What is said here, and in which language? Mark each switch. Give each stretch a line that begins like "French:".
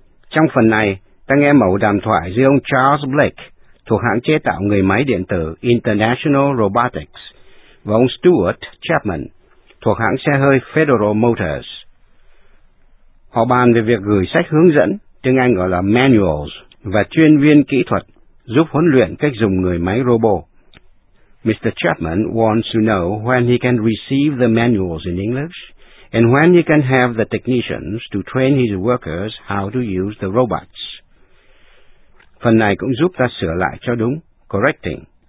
Vietnamese: Trong phần này, ta nghe mẫu đàm thoại giữa ông Charles Blake, thuộc hãng chế tạo người máy điện tử International Robotics, và ông Stuart Chapman, thuộc hãng xe hơi Federal Motors. Họ bàn về việc gửi sách hướng dẫn, tiếng Anh gọi là manuals, và chuyên viên kỹ thuật giúp huấn luyện cách dùng người máy robot.
English: Mr. Chapman wants to know when he can receive the manuals in English and when he can have the technicians to train his workers how to use the robots.
Vietnamese: Phần này cũng giúp ta sửa lại cho đúng, correcting.